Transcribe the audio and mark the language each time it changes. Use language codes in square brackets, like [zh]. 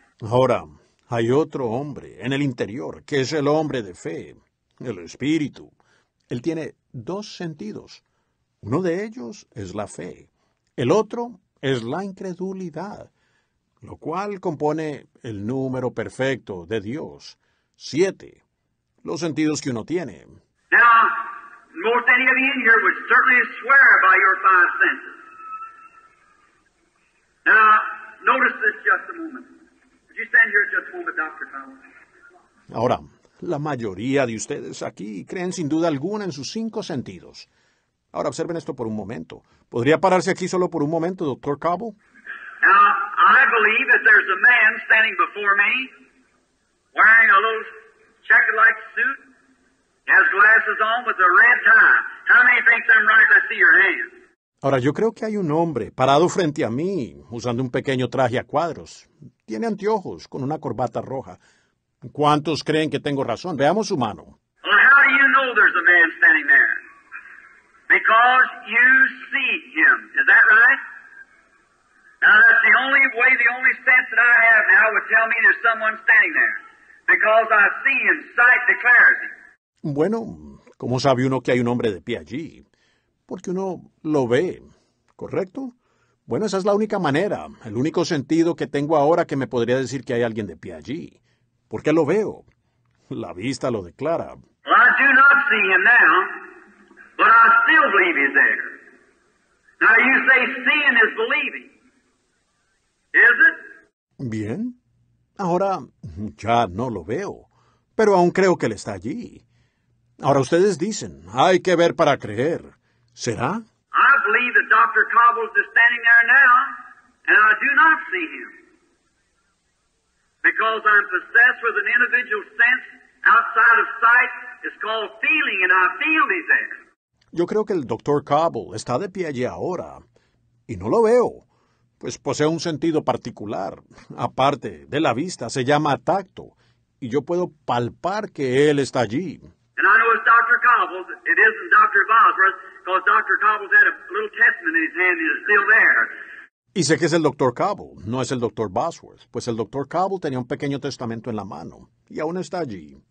[es] Ahora, hay otro hombre en el interior, que es el hombre de fe, el espíritu. Él tiene 2 sentidos. Uno de ellos es la fe. El otro es la incredulidad, lo cual compone el número perfecto de Dios. 7. Los sentidos que uno tiene. [en] Now, most any of you in here would certainly swear by your 5 senses. Now, notice this just a moment. Would you stand here just a moment, Dr. Collins? [es] Ahora, la mayoría de ustedes aquí creen sin duda alguna en sus 5 sentidos. Ahora observen esto por un momento. ¿Podría pararse aquí solo por un momento, doctor Cobble? [en] Now, I believe that there's a man standing before me wearing a little checkered-like suit, has glasses on with a red tie. How many think I'm right? I see your hand. [es] Ahora, yo creo que hay un hombre parado frente a mí, usando un pequeño traje a cuadros. Tiene anteojos con una corbata roja. ¿Cuántos creen que tengo razón? Veamos su mano. [en] Well, how do you know there's a man standing there? Because you see him. Is that right? Now, that's the only way, the only sense that I have now would tell me there's someone standing there. Because I see him, sight declares him. [es] Bueno, ¿cómo sabe uno que hay un hombre de pie allí? Porque uno lo ve, ¿correcto? Bueno, esa es la única manera, el único sentido que tengo ahora que me podría decir que hay alguien de pie allí. ¿Por qué lo veo? La vista lo declara. [en] Well, I do not see him now, but I still believe he's there. Now you say seeing is believing. Is it? [es] Bien. Ahora ya no lo veo, pero aún creo que él está allí. Ahora ustedes dicen, hay que ver para creer. ¿Será? [en] I believe that Dr. Cobble is standing there now, and I do not see him. Because I'm possessed with an individual sense outside of sight. It's called feeling, and I feel he's there. [es] Yo creo que el Dr. Cobble está de pie allí ahora, y no lo veo. Pues posee un sentido particular, aparte de la vista, se llama tacto, y yo puedo palpar que él está allí. [en] And I know it's Dr. Cobble, it isn't Dr. Bosworth. Because Dr. Cobble's had a little testament in his hand, he's still there. [es] Y sé que es el Dr. Cobble, no es el Dr. Bosworth. Pues el Dr. Cobble tenía un pequeño testamento en la mano, y aún está allí.